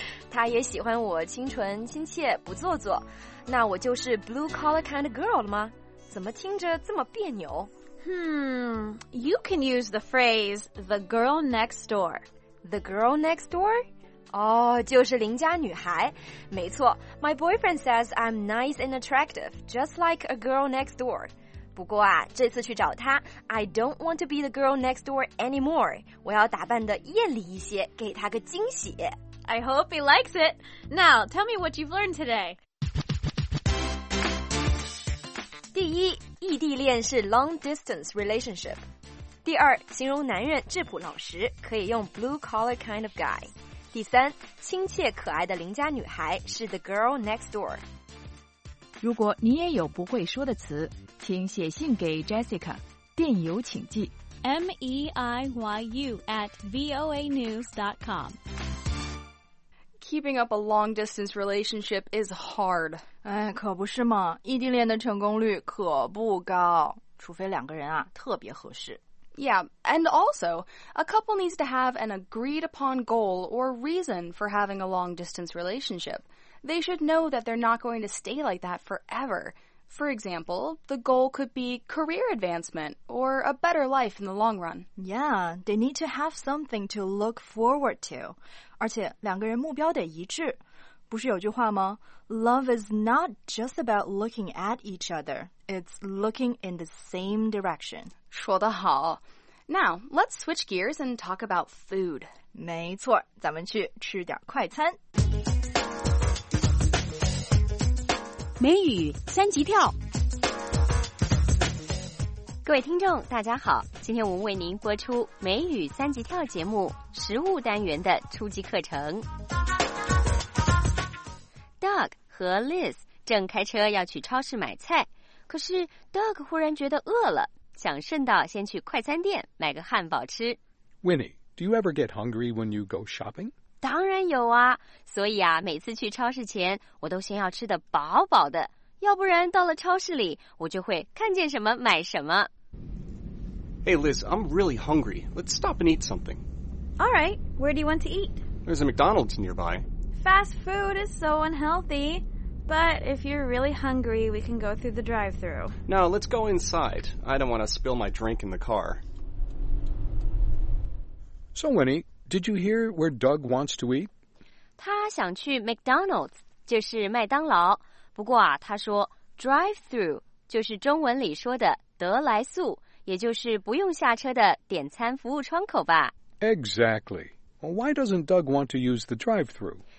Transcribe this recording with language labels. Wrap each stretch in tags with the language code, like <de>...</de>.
<zh>他也喜欢我清纯亲切不做作，那我就是</zh> <en>blue collar kind of girl</en> <zh>了吗？怎么听着这么别扭？</zh> <en>You can use the phrase the girl next door. The girl next door?</en> <zh>哦，就是邻家女孩。没错，</zh> <en>my boyfriend says I'm nice and attractive, just like a girl next door.</en> <zh>不过啊，这次去找他</zh> <en>I don't want to be the girl next door anymore.</en> <zh>我要打扮得艳丽一些，给他个惊喜。</zh> <en>I hope he likes it. Now, tell me what you've learned today.</en> <zh>第一，异地恋是</zh> <en>long distance relationship.</en> <zh>第二，形容男人质朴老实，可以用</zh> <en>blue collar kind of guy.</en> <zh>第三，亲切可爱的邻家女孩是</zh> <en>the girl next door.</en> <zh>如果你也有不会说的词，请写信给 Jessica， 电邮请寄</zh> <en>meiyu@voanews.com. Keeping up a long distance relationship is hard.</en> <zh>哎，可不是嘛，异地恋的成功率可不高，除非两个人啊特别合适。</zh> <en>Yeah, and also, a couple needs to have an agreed upon goal or reason for having a long distance relationship. They should know that they're not going to stay like that forever. For example, the goal could be career advancement or a better life in the long run. Yeah, they need to have something to look forward to.</en> <zh>而且两个人目标得一致。不是有句话吗？</zh> <en>Love is not just about looking at each other. It's looking in the same direction.</en> <zh>说得好。</zh> <en>Now, let's switch gears and talk about food.</en> <zh>没错，咱们去吃点快餐。美语三级跳，各位听众大家好，今天我们为您播出美语三级跳节目食物单元的初级课程。 Doug 和 Liz 正开车要去超市买菜，可是 Doug 忽然觉得饿了，想顺道先去快餐店买个汉堡吃。</zh> <en>Winnie, do you ever get hungry when you go shopping?</en> <zh>当然有啊，所以啊，每次去超市前，我都先要吃得饱饱的，要不然到了超市里，我就会看见什么买什么。</zh> <en>Hey Liz, I'm really hungry. Let's stop and eat something. All right, where do you want to eat? There's a McDonald's nearby. Fast food is so unhealthy. But if you're really hungry, we can go through the drive-thru. No, let's go inside. I don't want to spill my drink in the car. So Winnie,Did you hear where Doug wants to eat?</en> <zh>他想去 McDonald's, 就是麦当劳。不过啊，他说 drive-through 就是中文里说的得来速，也就是不用下车的点餐服务窗口吧。</zh> <en>Exactly. Well, why doesn't Doug want to use the drive-through?</en>